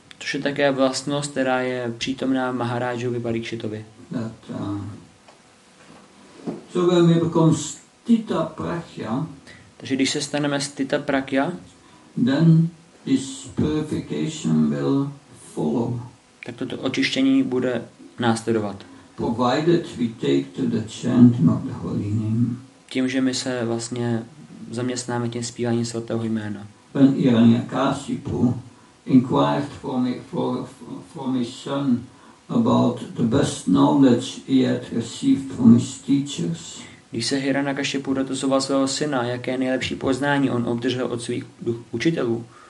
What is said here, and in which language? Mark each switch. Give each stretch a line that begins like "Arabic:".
Czech: To je také vlastnost, která je přítomná Maharajovi Parikshitovi.
English: So when we become sthita prachya.
Czech: Takže když se staneme stita prakya,
English: then this purification will follow.
Czech: Tak toto očištění bude následovat.
English: Provided we take to the chanting of the holy name.
Czech: Tím, že my se vlastně zaměstnáme tím zpíváním svatého jména.
English: When Hiranyakasipu inquired from his son about the best knowledge he had received from his teachers.
Czech: Když se Hiranyakasipu dotazoval svého syna, jaké nejlepší poznání on obdržel od svých učitelů.